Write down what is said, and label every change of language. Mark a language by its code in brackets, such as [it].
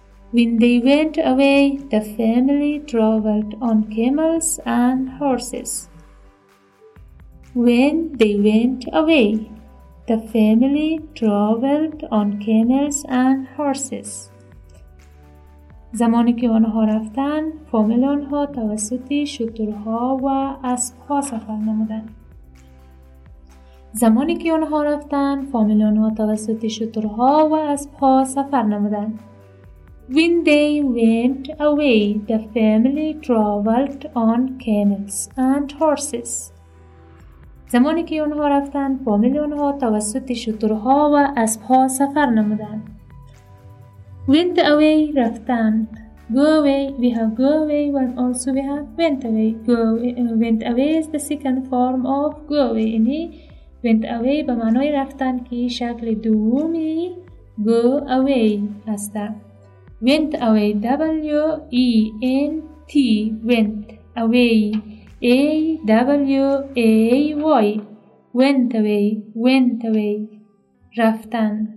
[en] When they went away, the family traveled on camels and horses. When they went away, the family traveled on camels and horses. [fa] زمانی که آنها رفتن، فامیل آنها توسط شترها و اسبها سفر نمودند. زمانی که آنها رفتن، فامیل آنها توسط شترها و اسبها سفر نمودند. [en] When they went away, the family traveled on camels and horses. [fa] زمانی که آنها رفتن، فامیل آنها توسط شترها و اسبها سفر نمودند. [en] Went away, رفتن. Go away, we have go away, and also we have went away. Went away is the second form of go away. [fa] یعنی went away به معنای رفتن که شکل دومی go away است. [en] Went away, W-E-N-T, went away, A-W-A-Y, went away, went away, رفتن.